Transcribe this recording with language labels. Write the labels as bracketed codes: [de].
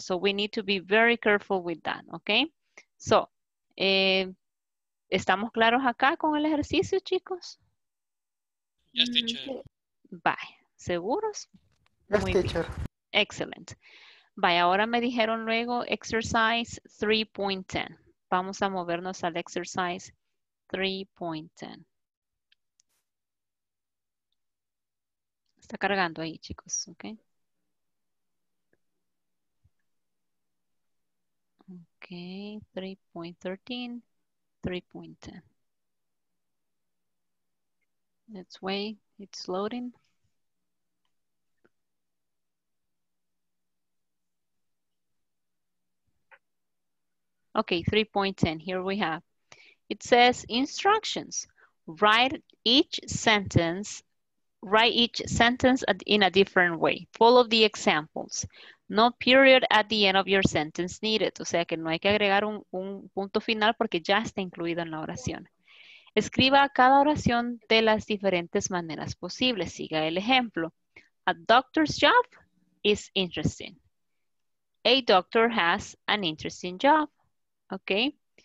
[en] So we need to be very careful with that, ¿ok? [es] So, ¿estamos claros acá con el ejercicio, chicos? [en] Yes, teacher. [es] Bye. ¿Seguros? [en] Yes, muy teacher. [es] Bien. Excellent. Bye, ahora me dijeron luego exercise 3.10. Vamos a movernos al exercise 3.10. Está cargando ahí, chicos, ¿ok? [en] Okay, 3.13, 3.10. Let's wait, it's loading. Okay, 3.10, here we have. It says instructions. Write each sentence in a different way. Follow the examples. No period at the end of your sentence needed. [es] O sea que no hay que agregar un punto final porque ya está incluido en la oración. Escriba cada oración de las diferentes maneras posibles. [en] Siga el ejemplo. A doctor's job is interesting. A doctor has an interesting job. Okay.